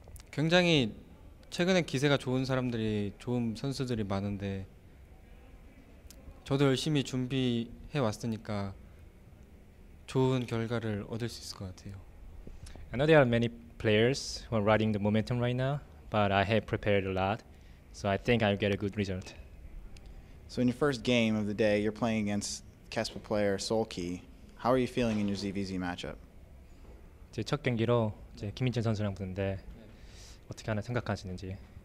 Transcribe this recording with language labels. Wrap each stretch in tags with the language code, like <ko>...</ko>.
<ko>굉장히 최근에 기세가 좋은 사람들이 좋은 선수들이 많은데 저도 열심히 준비해 왔으니까 좋은 결과를 얻을 수 있을 것 같아요.</ko> <en>I know there are many players who are riding the momentum right now, but I have prepared a lot, so I think I'll get a good result. So in your first game of the day, you're playing against Kespa player Solki. How are you feeling in your ZvZ matchup?</en> <ko>제 첫 경기로 이제 김민재 선수랑 붙는데 어떻게 하나 생각하시는지.</ko>